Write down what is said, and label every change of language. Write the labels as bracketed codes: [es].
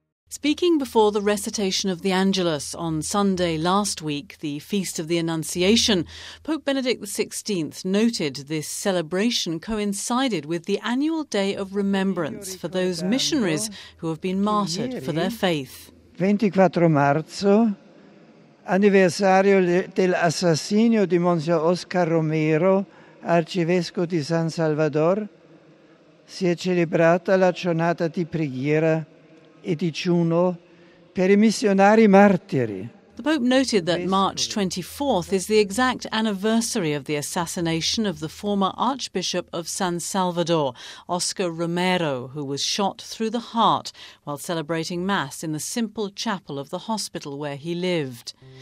[en] Speaking before the recitation of the Angelus on Sunday last week, the Feast of the Annunciation, Pope Benedict XVI noted this celebration coincided with the annual Day of Remembrance for those missionaries who have been martyred for their faith. [it] 24 marzo, anniversario dell'assassinio di Monsignor Oscar Romero, arcivescovo di San Salvador, si è celebrata la giornata di preghiera e digiuno per i missionari martiri. [en] The Pope noted that March 24th is the exact anniversary of the assassination of the former Archbishop of San Salvador, Oscar Romero, who was shot through the heart while celebrating Mass in the simple chapel of the hospital where he lived.